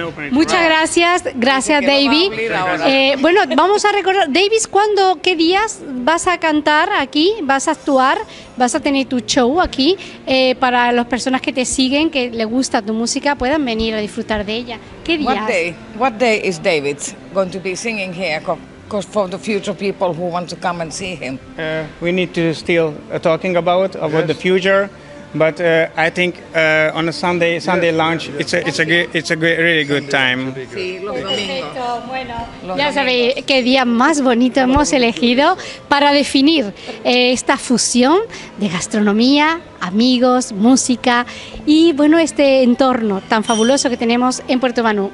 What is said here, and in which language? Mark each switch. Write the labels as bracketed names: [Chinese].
[Spanish] Muchas gracias, gracias David. Bueno, vamos a recordar, David, ¿cuándo, qué días vas a cantar aquí? ¿Vas a actuar? ¿Vas a tener tu show aquí? Para las personas que te siguen, que les gusta tu música, puedan venir a disfrutar de ella. ¿Qué días? [English] What day is David going to be singing here? Because for the future people who want to come and see him. We need to still talking about yes. The future. But I think on a Sunday yes, lunch, yes. it's a really good time. [Spanish] Perfecto. Ya sabéis qué día más bonito hemos elegido para definir esta fusión de gastronomía, amigos, música y bueno, este entorno tan fabuloso que tenemos en Puerto Banú.